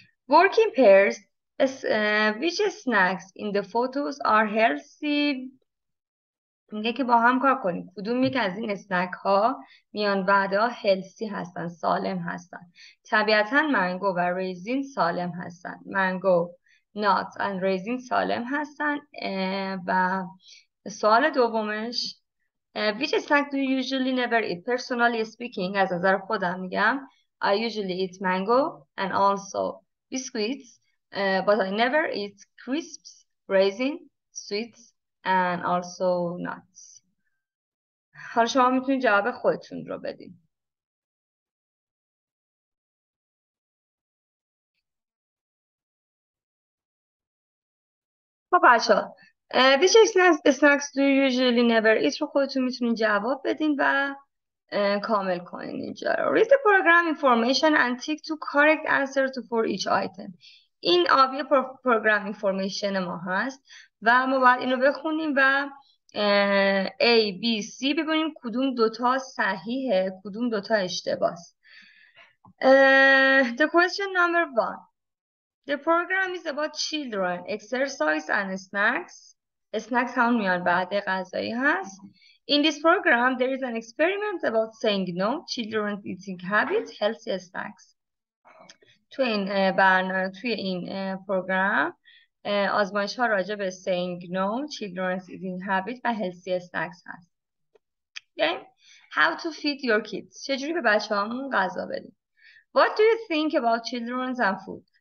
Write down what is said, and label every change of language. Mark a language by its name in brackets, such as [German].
[English] Working pairs as, which snacks in the photos are healthy. [Persian] میگه که با هم کار کنیم کدوم یک از این اسنک ها میان وعده ها هلسی هستن، سالم هستن. طبیعتا منگو و ریزین سالم هستن. منگو نات و ریزین سالم هستن. و سوال دومش [English] Which snack do you usually never eat? Personally speaking [Persian] از نظر خودم میگم [English] I usually eat mango and also biscuits but I never eat crisps, raisin, sweets and also nuts. [Persian] حالا شما میتونید جواب خودتون رو بدین. خب بچه [English] which snacks do you usually never eat [Persian] رو خودتون میتونید جواب بدین و کامل کنین اینجا. [English] Read the program information and tick to correct answer to for each item. [Persian] این آبی پروگرام اینفورمیشن ما هست و ما باید اینو بخونیم و A, B, C ببینیم کدوم دوتا صحیحه کدوم دوتا اشتباه است. [English] The question number one. The program is about children. Exercise and snacks. [Persian] Snacks همون میان بعد غذایی هست. [English] In this program there is an experiment about saying no. Children's eating habits, healthy snacks. [Persian] توی این برنامه توی این پروگرام آزمایش ها راجع به [English] saying no, children's eating habit [Persian] و healthy snacks هست. Okay. [English] How to feed your kids. [Persian] چجوری به بچه هامون غذا بدیم. [English] What do you think about children's and food?